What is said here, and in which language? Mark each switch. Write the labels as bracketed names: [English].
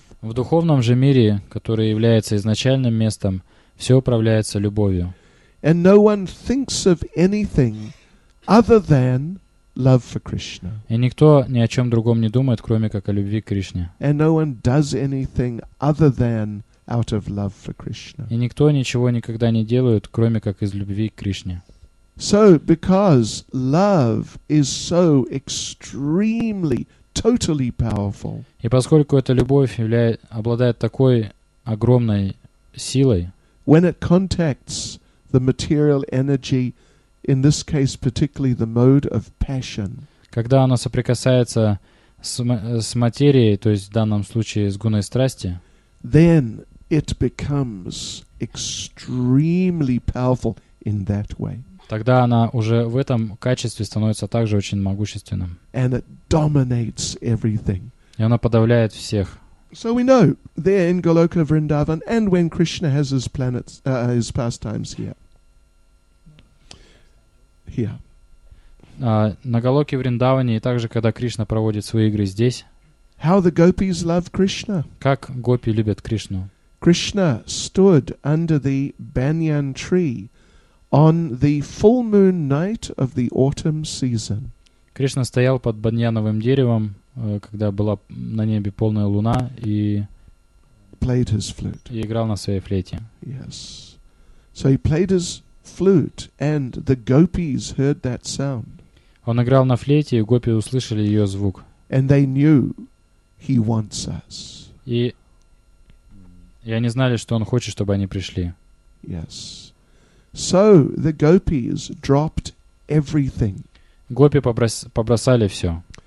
[Russian] В духовном же мире, который является изначальным местом, все управляется любовью. [English] And no one thinks of anything other than love for Krishna. [Russian] И никто ни о чем другом не думает, кроме как о любви к Кришне. [English] And no one does anything other than out of love for Krishna. [Russian] И никто ничего никогда не делает, кроме как из любви к Кришне. [English] So, because love is so extremely, totally powerful. [Russian] И поскольку эта любовь обладает такой огромной силой. [English] When it contacts the material energy. In this case, particularly the mode of passion. [Russian] Когда оно соприкасается с материей, то есть в данном случае с гуной страсти, [English] then it becomes extremely powerful in that way. [Russian] Тогда она уже в этом качестве становится также очень могущественным. [English] And it dominates everything. [Russian] И она подавляет всех. [English] So we know there in Goloka Vrindavan, and when Krishna has his planets, his pastimes here. [Russian] На Голоке Вриндаване и также когда Кришна проводит свои игры здесь. [English] How the gopis love Krishna? [Russian] Как гопи любят Кришну? [English] Krishna stood under the banyan tree on the full moon night of the autumn season. [Russian] Кришна стоял под баньяновым деревом, когда была на небе полная луна и [English] played his flute. [Russian] И играл на своей флейте. [English] Yes. So he played his flute and the gopis heard that sound. [Russian] Он играл на флейте, и гопи услышали ее звук. [English] And they knew he wants us. [Russian] И они знали, что он хочет, чтобы они пришли. [English] Yes. So the gopis dropped everything. [Russian] Гопи побросали все.